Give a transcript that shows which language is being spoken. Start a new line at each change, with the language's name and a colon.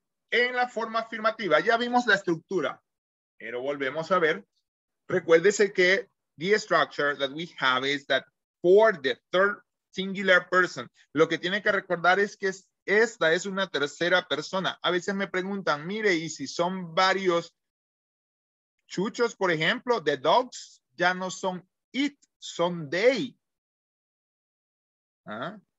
Spanish: En la forma afirmativa, ya vimos la estructura, pero volvemos a ver. Recuérdese que
English: the structure that we have is that for the third singular person.
Spanish: Lo que tiene que recordar es que esta es una tercera persona. A veces me preguntan, mire, y si son varios chuchos, por ejemplo,
English: the dogs,
Spanish: ya no son it, son they. ¿Ah?